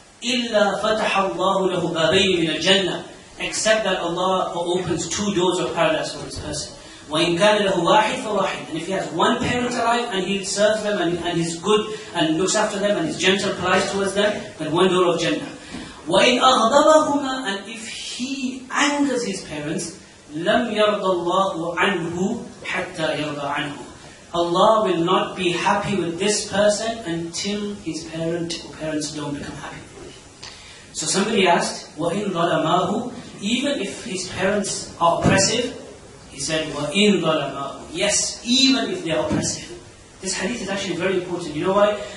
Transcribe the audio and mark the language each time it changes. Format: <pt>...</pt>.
<ar>إِلَّا فَتَحَ اللَّهُ لَهُ بَابَيْنِ مِنَ الْجَنَّةِ.</ar> <en>Except that Allah opens two doors of paradise for this person.</en> <ar>وَإِنْ كَانَ لَهُ وَاحِدْ فَوَاحِدْ.</ar> <en>And if he has one parent alive and he serves them and he's good and looks after them and he's gentle, polite towards them, then one door of Jannah.</en> <ar>وَإِنْ أَغْضَبَهُمَا.</ar> <en>And if he angers his parents,</en> <ar>لَمْ يَرْضَ اللَّهُ عَنْهُ حَتَّى يَرْضَ عَنْهُ.</ar> <en>Allah will not be happy with this person until his parent or parents don't become happy. So somebody asked,</en> <ar>وَإِنْ ظَلَمَاهُ.</ar> <en>even if his parents are oppressive, he said,</en> <ar>وَإِن ظَلَمَا.</ar> <en>Yes, even if they are oppressive. This hadith is actually very important. You know why?</en>